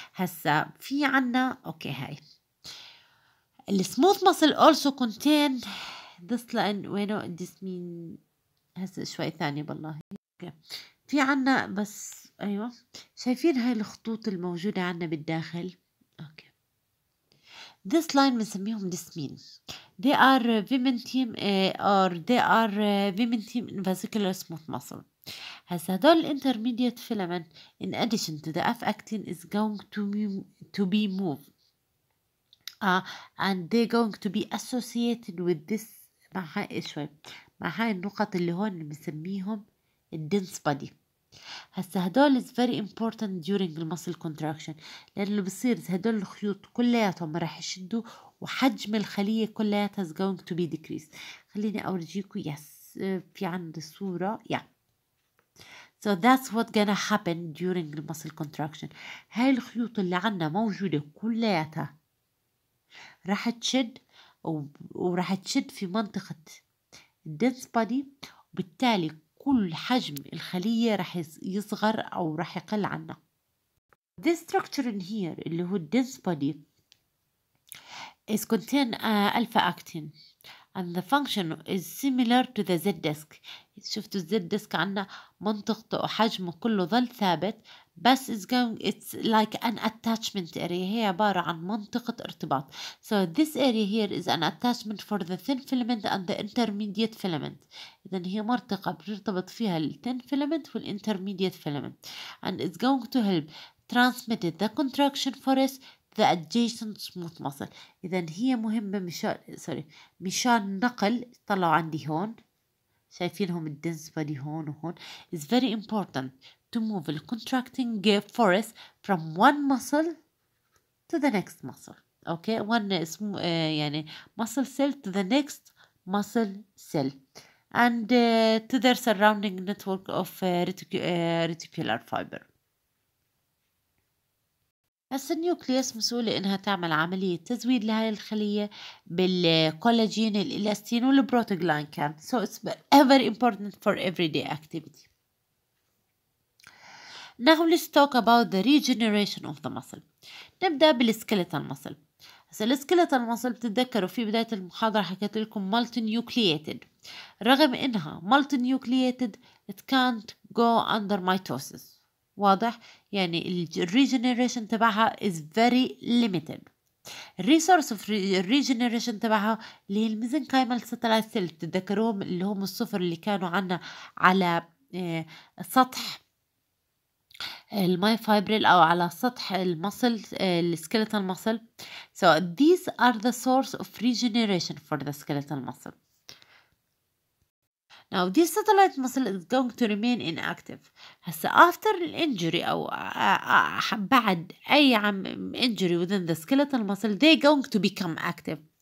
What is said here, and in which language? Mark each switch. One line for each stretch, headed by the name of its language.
Arabic: هسا في عنا اوكي هاي السموث مصل
English: also contain this line.
Arabic: وينو
English: this mean
Arabic: هسا شوي ثانية بالله. في عنا بس ايوه شايفين هاي الخطوط الموجودة عنا بالداخل. اوكي
English: this line
Arabic: بنسميهم دسمين.
English: They are vimentium or they are vimentium in vesicular smooth muscle.
Arabic: هسا هدول الانترميديت فيلمنت
English: in addition to the F-actin is going to be moved. And they're going to be associated with this
Arabic: مع هاي شوي مع هاي النقط اللي هون بنسميهم الدنس بادي. هسا هدول
English: is very important during the muscle contraction،
Arabic: لأن اللي بصير هدول الخيوط كلياتهم راح يشدوا وحجم الخلية كلياتها
English: is going to be decreased.
Arabic: خليني أورجيكم في عند الصورة.
English: So that's what gonna happen during the muscle contraction.
Arabic: هاي الخيوط اللي عنا موجودة كلياتها راح تشد وراح تشد في منطقة dense body وبالتالي كل حجم الخلية رح يصغر أو رح يقل عنا.
English: This structure in here
Arabic: اللي هو
English: dense body is contain alpha actin and the function is similar to the Z-disk.
Arabic: شفتوا Z-disk عنا منطقته وحجمه كله ظل ثابت بس
English: it's like an attachment area.
Arabic: هي عبارة عن منطقة ارتباط.
English: So this area here is an attachment for the thin filament and the intermediate filament.
Arabic: إذن هي منطقة بيرتبط فيها ال
English: thin filament وال intermediate filament and it's going to help transmit the contraction force to the adjacent smooth muscle.
Arabic: إذن هي مهمة مشان نقل. طلعوا عندي هون شايفينهم الدنس بادي هون وهون.
English: It's very important to move the contracting force from one muscle to the next muscle. Okay, one
Arabic: يعني
English: muscle cell to the next muscle cell and to their surrounding network of reticular fiber.
Arabic: هسه النيوكليوس مسؤولة إنها تعمل عملية تزويد لهاي الخلية بالكولاجين الإلاستين والبروتوغلانكان.
English: So it's very important for everyday activity. Now let's talk about the regeneration of the muscle.
Arabic: نبدأ بالسكيلتال مسل. هسه السكيلتال مسل بتتذكروا في بداية المحاضرة حكيت لكم مالتي نيوكليتد. رغم إنها مالتي نيوكليتد
English: it can't go under mitosis.
Arabic: واضح يعني الريجينيريشن تبعها
English: is very limited.
Arabic: الريسورس اوف الريجينيريشن تبعها اللي هي الميزنكايمال ساتلايت سيل تذكروهم اللي هم الصفر اللي كانوا عنا على سطح الماي فايبريل او على سطح المصل السكيلتال مصل.
English: So these are the source of regeneration for the skeletal muscle. Now this satellite muscle is going to remain inactive.
Arabic: هسا
English: after the injury
Arabic: أو بعد أي
English: injury within the skeletal muscle they going to become active.